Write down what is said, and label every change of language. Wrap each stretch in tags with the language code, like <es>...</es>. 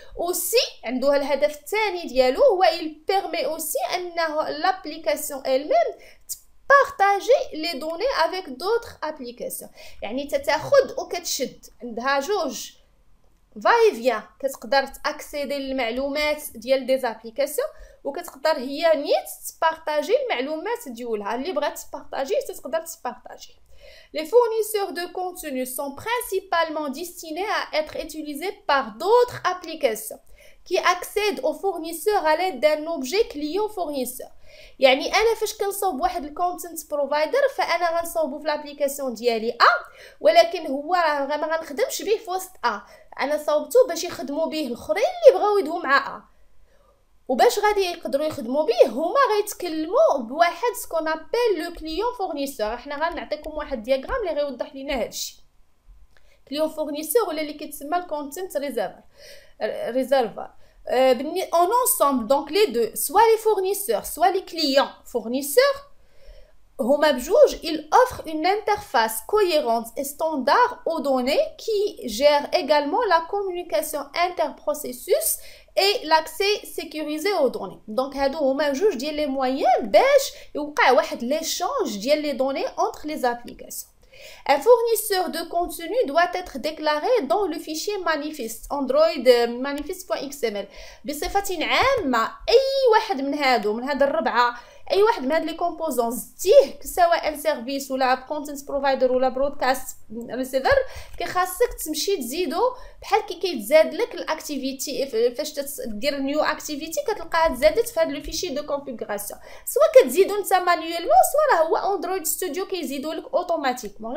<ar>اوسي عنده الهدف الثاني ديالو هو يل بيرمي اوسي ان لابليكاسيون ايل ميم بارطاجي لي دوني افيك دوطخ ابليكاسيون، يعني تتاخد وكتشد، عندها جوج فايفيا، كتقدر تاكسيدي للمعلومات ديال دي زابليكاسيون، وكتقدر هي نيت تبارطاجي المعلومات ديالها اللي بغات تبارطاجي تقدر تبارطاجي.</ar> <fr>Les fournisseurs de contenu sont principalement destinés à être utilisés par d'autres applications qui accèdent au fournisseur à l'aide d'un objet client fournisseur.</fr> <ar>يعني انا فاش كنصوب واحد الكونتنت بروفايدر فانا غنصوبو في لابليكاسيون ديالي ا، ولكن هو راه ما غنخدمش به في وسط ا، انا صوبته باش يخدموا به الاخرين اللي بغاو يدوا مع ا، وباش غادي يقدروا يخدموا به هما غيتكلموا بواحد سكون ابل لو كليون فورنيسور. حنا غنعطيكم واحد الدياغرام اللي غيوضح لينا هادشي. كليون فورنيسور ولا اللي كيتسمى الكونتنت ريزيرفر.</ar> <fr>En ensemble, donc les deux, soit les fournisseurs, soit les clients fournisseurs, ils offrent une interface cohérente et standard aux données qui gèrent également la communication interprocessus et l'accès sécurisé aux données. Donc, ils ont les moyens pour l'échange des données entre les applications. Un fournisseur de contenu doit être déclaré dans le fichier manifeste Android manifeste.xml.</fr> <ar>بصفة عامة أي واحد من هادو من هاد الربعة، أي واحد من هاد لي كومبوزونز تيه، سواء سيرفيس ولا كونتنت بروفايدر ولا برودكاست ريسيفر، كي خاصك تمشي تزيدو بحال كي كيتزاد لك الاكتيفيتي. فاش تدير نيو اكتيفيتي كتلقاها تزادت في هاد لو فيشي دو كونفيغوراسيون، سواء كتزيدو نتا مانيوالمون سواء راه هو اندرويد ستوديو كيزيدو لك اوتوماتيكمون.</ar>